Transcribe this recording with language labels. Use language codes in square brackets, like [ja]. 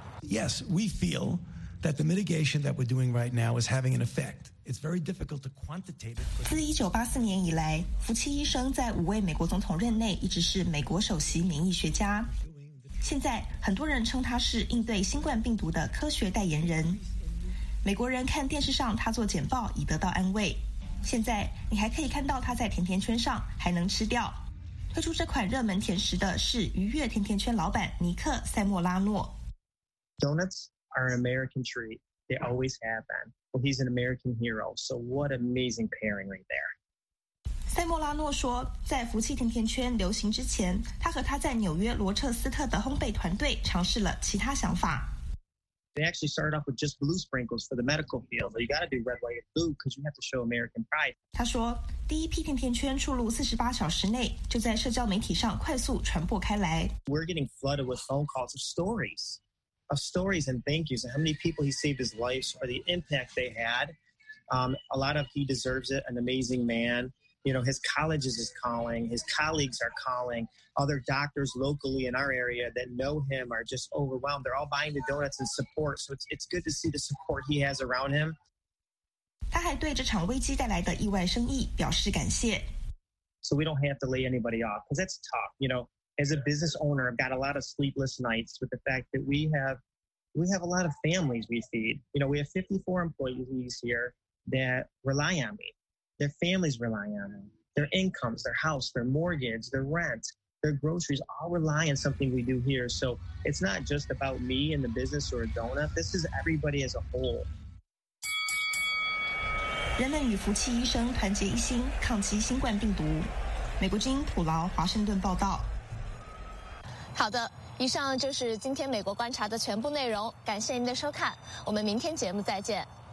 [en] Yes, we feel that the mitigation that we're doing right now is having an effect. It's very difficult to quantitate it. [zh] 自1984年以来，福契医生在五位美国总统任内一直是美国首席免疫学家。现在，很多人称他是应对新冠病毒的科学代言人。美国人看电视上他做简报以得到安慰，现在你还可以看到他在甜甜圈上还能吃掉。推出这款热门甜食的是愉悦甜甜圈老板尼克·塞莫拉诺。 [en] Donuts are an American treat. They always have been. Well, he's an American hero. So what amazing pairing right there. [zh] 塞莫拉诺说，在福气甜甜圈流行之前，他和他在纽约罗彻斯特的烘焙团队尝试了其他想法。 [en] They actually started off with just blue sprinkles for the medical field. You got to do red, white, and blue because you have to show American pride. [zh] 他说，第一批甜甜圈出炉48小时内，就在社交媒体上快速传播开来。 [en] We're getting flooded with phone calls of stories and thank yous and how many people he saved his life or the impact they had. A lot of he deserves it, an amazing man. You know, his colleges is calling, his colleagues are calling. Other doctors locally in our area that know him are just overwhelmed. They're all buying the donuts and support. So it's good to see the support he has around him. [zh] 他还对这场危机带来的意外生意表示感谢。 [en] So we don't have to lay anybody off because that's tough. You know, as a business owner, I've got a lot of sleepless nights with the fact that we have a lot of families we feed. You know, we have 54 employees here that rely on me. Their families rely on me. Their incomes, their house, their mortgage, their rent. Their groceries all rely on something we do here. So it's not just about me and the business or a donut. This is everybody as a whole. [zh] 人们与福气医生团结一心，抗击新冠病毒。美国之音普劳华盛顿报道。好的，以上就是今天美国观察的全部内容。感谢您的收看，我们明天节目再见。